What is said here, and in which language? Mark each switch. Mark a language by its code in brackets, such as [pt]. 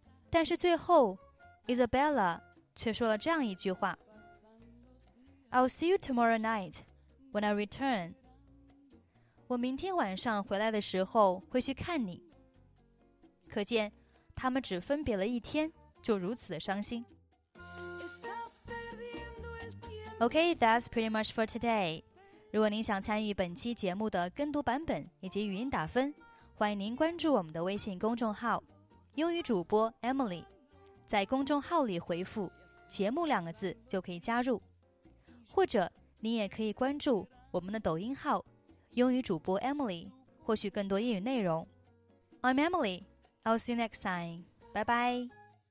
[zh] 但是最后 ，Isabella 却说了这样一句话 [en] ：“I'll see you tomorrow night when I return。” [zh] 我明天晚上回来的时候会去看你。可见。他们只分别了一天，就如此的伤心。 [en] Okay, that's pretty much for today. [zh] 如果您想参与本期节目的跟读版本以及语音打分，欢迎您关注我们的微信公众号“英语主播 Emily”。在公众号里回复“节目”两个字就可以加入，或者您也可以关注我们的抖音号“英语主播 Emily”， 获取更多英语内容。 [en] I'm Emily.I'll see you next time. Bye-bye.